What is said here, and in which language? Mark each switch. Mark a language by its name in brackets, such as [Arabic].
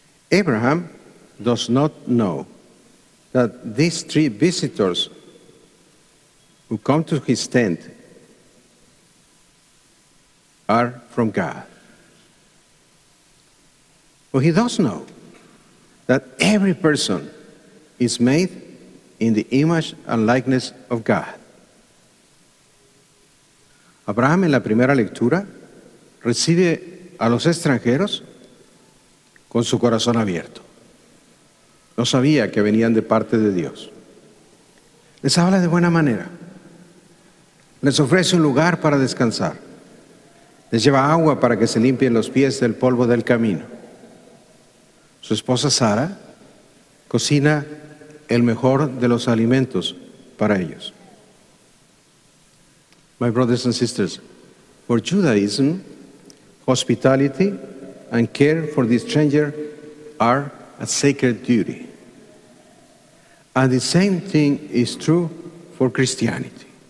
[English] Abraham does not know that these three visitors who come to his tent are from God. But he does know that every person is made in the image and likeness of God. [Spanish] Abraham, en la primera lectura, recibe a los extranjeros con su corazón abierto. No sabía que venían de parte de Dios. Les habla de buena manera. Les ofrece un lugar para descansar. Les lleva agua para que se limpien los pies del polvo del camino. Su esposa Sara cocina el mejor de los alimentos para ellos. [English] My brothers and sisters, for Judaism, hospitality and care for the stranger are a sacred duty. And the same thing is true for Christianity.